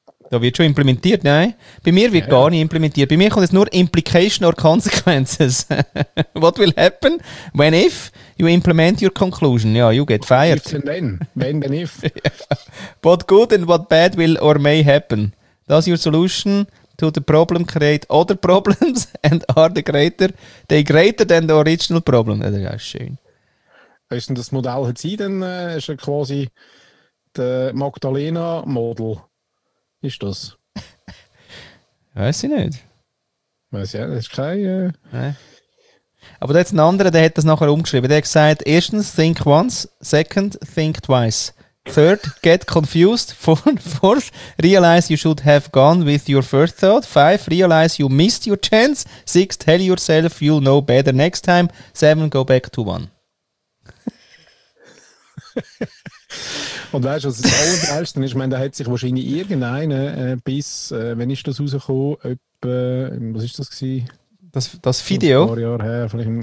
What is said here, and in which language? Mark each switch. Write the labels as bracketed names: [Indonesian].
[German] Da wird schon implementiert, nein? Bei mir wird gar nicht implementiert. Bei mir kommt es nur [English] Implication or Consequences. What will happen when if you implement your conclusion? Ja, you get fired. When then if. [German] Ja. [English] What good and what bad will or may happen? Does your solution to the problem create other problems and are they greater than the original problem? [German] Das ist auch schön. Ist denn das Modell hat sie denn, ist ja quasi der Magdalena-Model. Ist das? Weiß ich nicht. Weiß ich ja, das ist kein. Aber da hat es einen anderen, der hat das nachher umgeschrieben. Der hat gesagt: erstens, [English] think once. Second, think twice. Third, get confused. Fourth, realize you should have gone with your first thought. Five, realize you missed your chance. Six, tell yourself you'll know better next time. Seven, go back to one. [German] Und weißt du, was das Allergeilste ist? Ich meine, da hat sich wahrscheinlich irgendeiner bis, wann ist das rausgekommen? Etwa, was ist das gewesen? Das Video? Ein paar Jahre her, vielleicht